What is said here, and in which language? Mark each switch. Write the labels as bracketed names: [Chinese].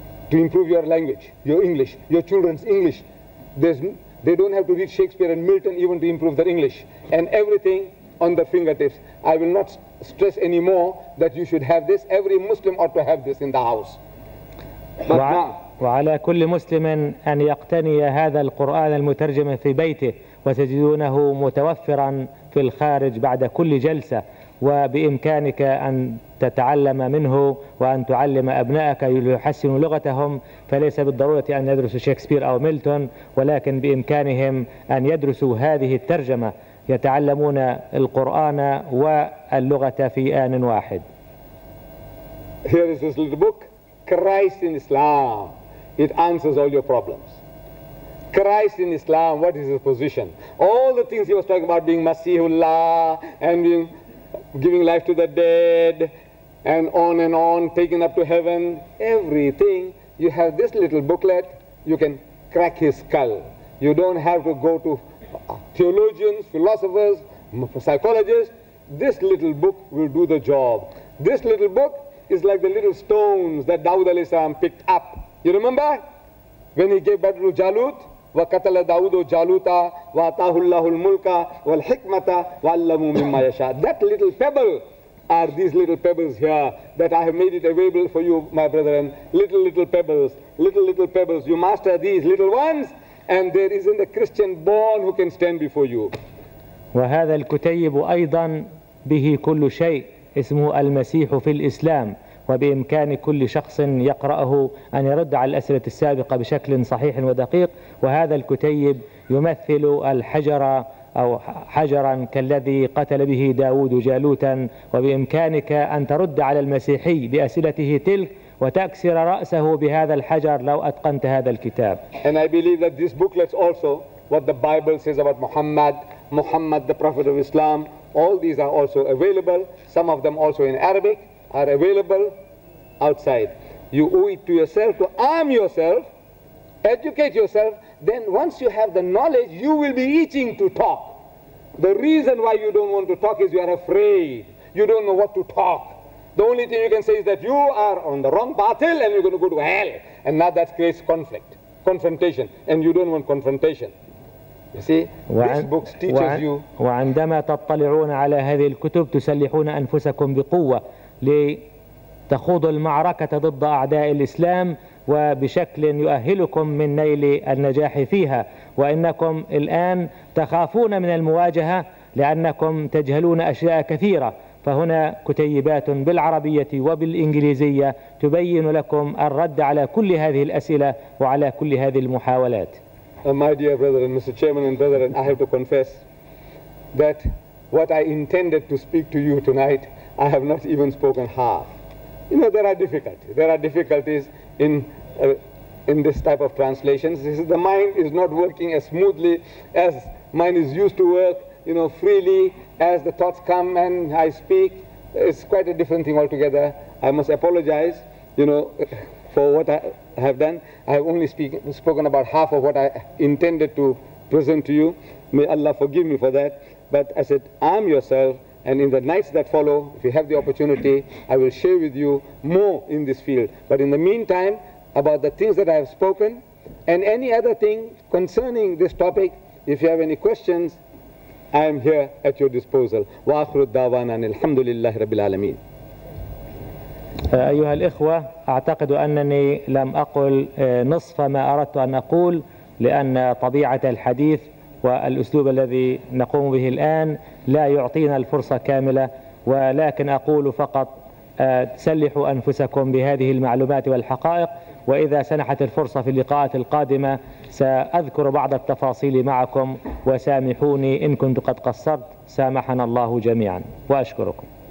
[English] To improve your language, your English, your children's English, they don't have to read Shakespeare and Milton even to improve their English. And everything on the fingertips. I will not stress anymore that you should have this. Every Muslim ought to have this in the house. [Arabic] وعلى كل مسلم أن يقتني هذا القرآن المترجم في بيته، وتجدونه متوفرا في الخارج بعد كل جلسة، وبإمكانك أن تتعلم منه وأن تعلم أبنائك ليحسنوا لغتهم، فليس بالضرورة أن يدرسوا شكسبير أو ميلتون، ولكن بإمكانهم أن يدرسوا هذه الترجمة، يتعلمون القرآن واللغة في آن واحد. [English] Here is this little book, Christ in Islam. It answers all your problems. Christ in Islam, what is his position? All the things he was talking about, being Masihullah and being giving life to the dead and on, taking up to heaven, everything. You have this little booklet, you can crack his skull. You don't have to go to theologians, philosophers, psychologists. This little book will do the job. This little book is like the little stones that Dawud alayhi salam picked up. You remember? When he gave Badru Jalut, [Arabic] وَقَتَلَ دَعُودُ جَالُوتَ وَأَتَاهُ اللَّهُ الْمُلْكَ وَالْحِكْمَةَ وَعَلَّمُوا مِمَّا يَشَاءُ. [English] That little pebble are these little pebbles here that I have made it available for you, my brethren. Little pebbles, little pebbles. You master these little ones and there isn't a Christian born who can stand before you. [Arabic] وهذا الكتيب أيضا به كل شيء، اسمه المسيح في الإسلام، وبإمكان كل شخص يقرأه أن يرد على الأسئلة السابقة بشكل صحيح ودقيق، وهذا الكتيب يمثل الحجر أو حجرا كالذي قتل به داود جالوتا، وبإمكانك أن ترد على المسيحي بأسئلته تلك وتكسر رأسه بهذا الحجر لو أتقنت هذا الكتاب. [English] And I believe that these booklets also, what the Bible says about Muhammad, Muhammad the Prophet of Islam, all these are also available. Some of them also in Arabic are available outside. You owe it to yourself to arm yourself, educate yourself. Then once you have the knowledge, you will be itching to talk. The reason why you don't want to talk is you are afraid. You don't know what to talk. The only thing you can say is that you are on the wrong path and you're going to go to hell. And now that creates conflict, confrontation. And you don't want confrontation. You see, this book teaches you. [Arabic] وعندما تطلعون على هذه الكتب تسلحون أنفسكم بقوة لتخوض المعركة ضد أعداء الإسلام وبشكل يؤهلكم من نيل النجاح فيها. وإنكم الآن تخافون من المواجهة لأنكم تجهلون أشياء كثيرة، فهنا كتيبات بالعربية وبالإنجليزية تبين لكم الرد على كل هذه الأسئلة وعلى كل هذه المحاولات. [English] My dear brother and Mr. Chairman and brother, I have to confess that what I intended to speak to you tonight, I have not even spoken half. You know, there are difficulties. There are difficulties in this type of translations. This is, the mind is not working as smoothly as mine is used to work, you know, freely as the thoughts come and I speak. It's quite a different thing altogether. I must apologize, you know, for what I have done. I have only spoken about half of what I intended to present to you. May Allah forgive me for that. But I said, arm yourself. And in the nights that follow, if you have the opportunity, I will share with you more in this field. But in the meantime, about the things that I have spoken, and any other thing concerning this topic, if you have any questions, I am here at your disposal. [Arabic] Wa akhiru da'wana alhamdulillahi rabbil alameen. أيها الإخوة، أعتقد أنني لم أقل نصف ما أردت أن أقول، لأن طبيعة الحديث والأسلوب الذي نقوم به الآن لا يعطينا الفرصة كاملة، ولكن أقول فقط سلحوا أنفسكم بهذه المعلومات والحقائق، وإذا سنحت الفرصة في اللقاءات القادمة سأذكر بعض التفاصيل معكم، وسامحوني إن كنت قد قصرت، سامحنا الله جميعا وأشكركم.